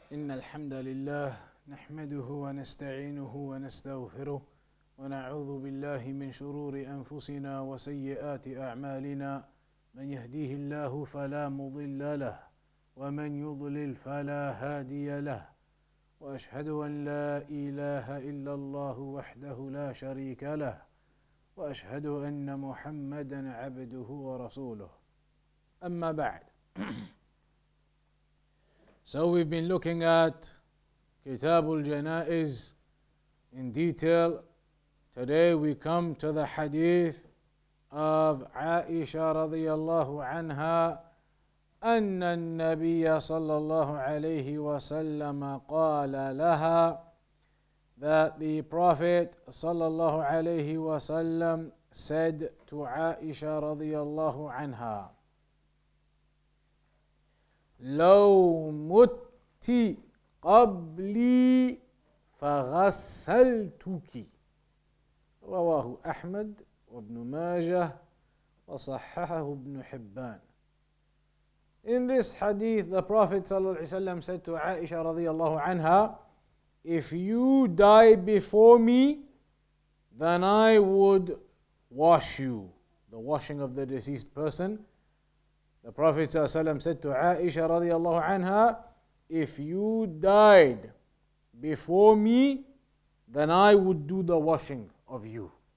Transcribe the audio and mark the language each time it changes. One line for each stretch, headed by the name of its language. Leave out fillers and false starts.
Arabic: إن الحمد لله نحمده ونستعينه ونستغفره ونعوذ بالله من شرور أنفسنا وسيئات أعمالنا، من يهديه الله فلا مضل له ومن يضلل فلا هادي له، وأشهد أن لا إله إلا الله وحده لا شريك له، وأشهد أن محمدا عبده ورسوله. أما بعد،
English: so we've been looking at Kitab al-Janaiz in detail. Today we come to the hadith of Aisha radiyallahu anha,
Arabic: anna an-nabiyya sallallahu alayhi wa sallam qala laha,
English: that the Prophet sallallahu alayhi wa sallam said to Aisha radiyallahu anha,
Arabic: لو مت قبلي فغسلتك. رواه أحمد وابن ماجه وصححه ابن حبان.
English: In this hadith, the Prophet sallallahu alaihi wasallam said to Aisha radiyallahu anha, if you die before me, then I would wash you. The washing of the deceased person. The Prophet ﷺ said to Aisha radiallahu anha, if you died before me, then I would do the washing of you.